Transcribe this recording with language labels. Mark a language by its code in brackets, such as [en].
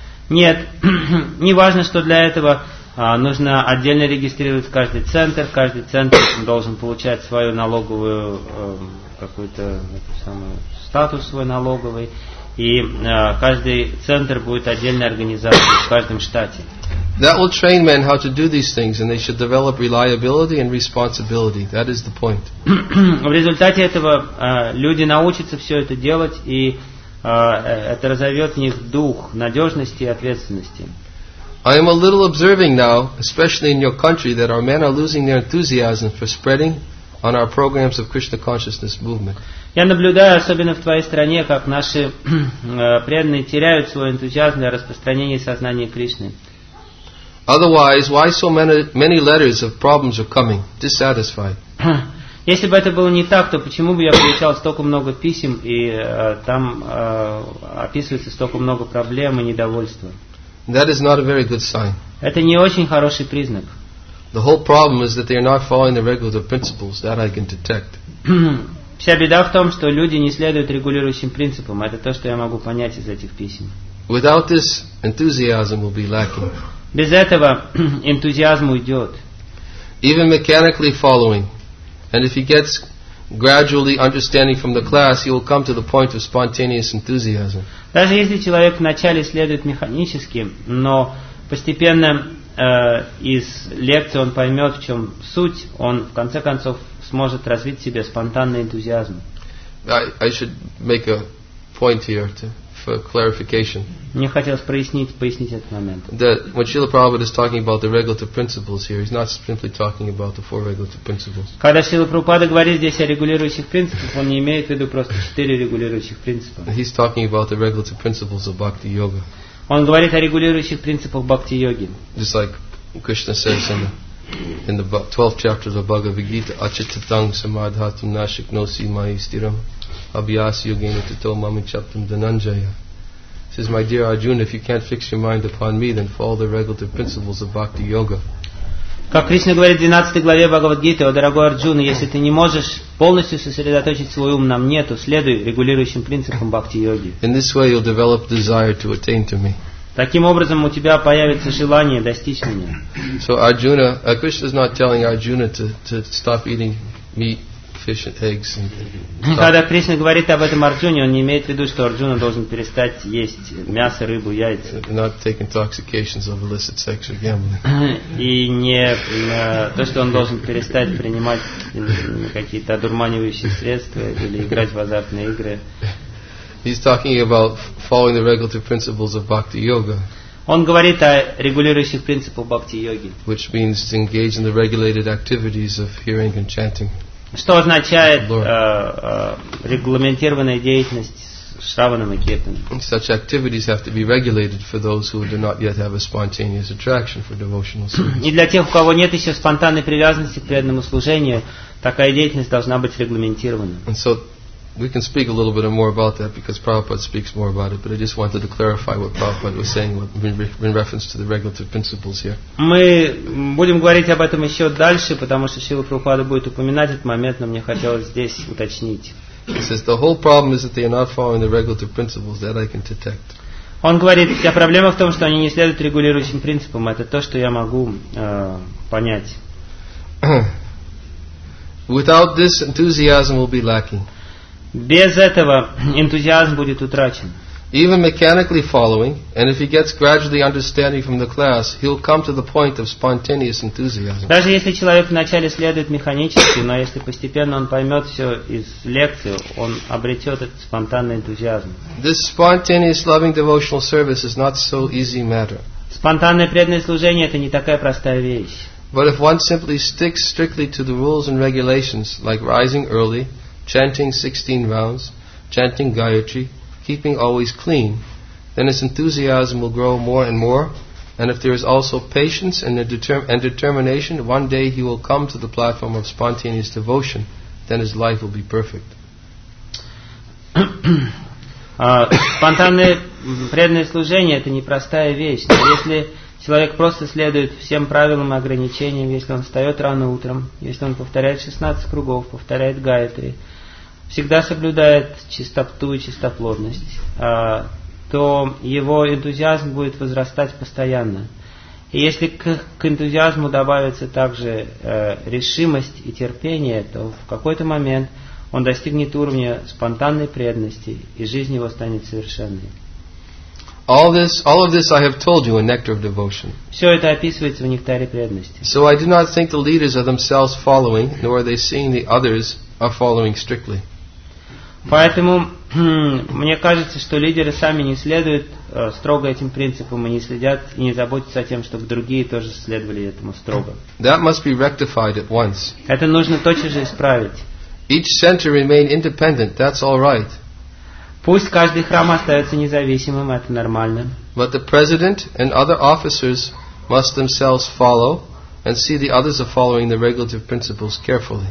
[ru] Нет, не важно, что для этого нужно отдельно регистрировать каждый центр должен получать свою налоговую какую-то самую статус свой налоговый, и каждый центр будет отдельной организацией в каждом штате. [en] That will train men how to do these things, and they should develop reliability and responsibility. That is the point. [ru] В результате этого люди научатся все это делать, и это разовьет в них дух надежности и ответственности. [en] I am a little observing now, especially in your country, that our men are losing their enthusiasm for spreading on our programs of Krishna consciousness movement. [ru] Я наблюдаю, особенно в твоей стране, как наши преданные теряют свой энтузиазм для распространения сознания Кришны. [en] Otherwise, why so many letters of problems are coming, dissatisfied? [ru] Если бы это было не так, то почему бы я получал столько много писем и там описывается столько много проблем и недовольства? [en] That is not a very good sign. [ru] Это не очень хороший признак. [en] The whole problem is that they are not following the regular principles that I can detect. [ru] Вся беда в том, что люди не следуют регулирующим принципам. Это то, что я могу понять из этих писем. [en] Without this, enthusiasm will be lacking. [ru] Без этого энтузиазм уйдет. [en] Even mechanically following, and if he gets gradually understanding from the class, he will come to the point of spontaneous enthusiasm. [ru] Даже если человек вначале следует механически, но постепенно из лекции он поймет, в чем суть, он в конце концов сможет развить в себе спонтанный энтузиазм. [en] I should make a point here to, for clarification. [ru] Мне хотелось пояснить этот момент. [en] When Srila Prabhupada is talking about the regulative principles here, he's not simply talking about the four regulative principles. [ru] Когда Шрила Прабхупада говорит здесь о регулирующих принципах, он не имеет в виду просто четыре регулирующих принципа. [en] He's talking about the regulative principles of bhakti yoga. [ru] Он говорит о регулирующих принципах бхакти йоги. [en] Just like Krishna says in the 12th chapter of Bhagavad Gita, [sa] Achittatang Samadhatam Nashiknosi Mahi Stiram Abhyas Yogena Tito Mami Chaptam Dhananjaya. [en] He says, my dear Arjuna, if you can't fix your mind upon me, then follow the regulative principles of bhakti yoga. [ru] Как Кришна говорит в 12 главе Бхагавад Гиты, о дорогой Арджуна, если ты не можешь полностью сосредоточить свой ум на мне, то следуй регулирующим принципам бхакти йоги. [en] In this way you'll develop desire to attain to me. [ru] Таким образом у тебя появится желание достичь меня. [en] So Arjuna, Krishna is not telling Arjuna to stop eating meat, fish and eggs. [ru] Когда Кришна говорит об этом Арджуне, он не имеет в виду, что Арджуна должен перестать есть мясо, рыбу, яйца. [en] Not take intoxications of illicit sexual gambling. [ru] И не то, что он должен перестать принимать какие-то одурманивающие средства или играть в азартные игры. [en] He's talking about following the regulative principles of bhakti yoga. [ru] Он говорит о регулирующих принципах бхакти йоги. [en] Which means to engage in the regulated activities of hearing and chanting. [ru] Что означает регламентированная деятельность Шраванам и Киртаном? [en] Such activities have to be regulated for those who do not yet have a spontaneous attraction for devotional service. [ru] И для тех, у кого нет еще спонтанной привязанности к преданному служению, такая деятельность должна быть регламентирована. [en] And so we can speak a little bit more about that because Prabhupada speaks more about it, but I just wanted to clarify what Prabhupada was saying in reference to the regulative principles here. [ru] Мы будем говорить об этом еще дальше, потому что Шрила Прабхупада будет упоминать этот момент, но мне хотелось здесь уточнить. [en] Says, the whole problem is that they are not following the regulative principles that I can detect. [ru] Он говорит, вся проблема в том, что они не следуют регулирующим принципам, это то, что я могу понять. [en] Without this, enthusiasm will be lacking. [ru] Без этого энтузиазм будет утрачен. [en] Even mechanically following, and if he gets gradually understanding from the class, he'll come to the point of spontaneous enthusiasm. [ru] Даже если человек вначале следует механически, но если постепенно он поймет все из лекции, он обретет этот спонтанный энтузиазм. [en] This spontaneous loving devotional service is not so easy matter. [ru] Спонтанное преданное служение — это не такая простая вещь. [en] But if one simply sticks strictly to the rules and regulations, like rising early, chanting 16 rounds, chanting Gayatri, keeping always clean, then his enthusiasm will grow more and more, and if there is also patience and determination, one day he will come to the platform of spontaneous devotion, then his life will be perfect. [ru] Спонтанное преданное служение — это непростая вещь, но если человек просто следует всем правилам и ограничениям, если он встает рано утром, если он повторяет 16 кругов, повторяет Гаятри, всегда соблюдает чистоту и чистоплотность, то его энтузиазм будет возрастать постоянно. И если к энтузиазму добавится также решимость и терпение, то в какой-то момент он достигнет уровня спонтанной преданности, и жизнь его станет совершенной. [en] All of this I have told you in Nectar of Devotion. [ru] Все это описывается в Нектаре преданности. [en] So I do not think the leaders are themselves following, nor are they seeing the others are following strictly. [ru] Поэтому мне кажется, что лидеры сами не следуют строго этим принципам и не следят и не заботятся о том, чтобы другие тоже следовали этому строго. [en] That must be rectified at once. [ru] Это нужно тотчас же исправить. [en] Each center remain independent. That's all right. [ru] Пусть каждый храм остается независимым, это нормально. [en] But the president and other officers must themselves follow and see the others are following the regulative principles carefully.